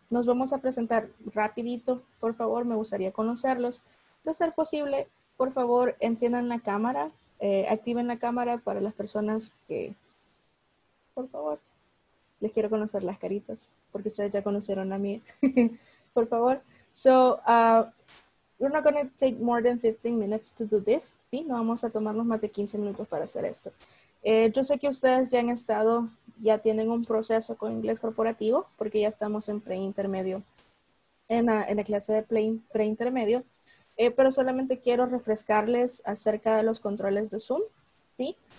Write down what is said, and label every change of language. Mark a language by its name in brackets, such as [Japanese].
[Spanish] Nos vamos a presentar rapidito, por favor, me gustaría conocerlos. De ser posible, por favor, enciendan la cámara, activen la cámara para las personas que, por favor, les quiero conocer las caritas, porque ustedes ya conocieron a mí, por favor. [English] So, we're not going to take more than 15 minutes to do this, ¿sí? [Spanish] No vamos a tomarnos más de 15 minutos para hacer esto. Yo sé que ustedes ya han estado, ya tienen un proceso con inglés corporativo, porque ya estamos en preintermedio, en la clase de preintermedio. Pero solamente quiero refrescarles acerca de los controles de Zoom, ¿sí?